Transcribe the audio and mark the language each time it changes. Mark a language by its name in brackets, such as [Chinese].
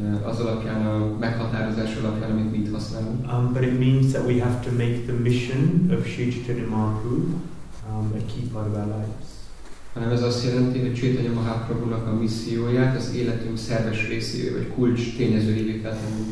[Hungarian] Az alapján, a meghatározás alapján, amit mit használunk. [English] But it means that we have to make the mission of Sri Chaitanya Mahaprabhu a key part of our lives. [Hungarian] Hanem ez azt jelenti, hogy Chaitanya Mahaprabhunak a misszióját az életünk szerves részévé, vagy kulcs tényezőjévé kell tenni.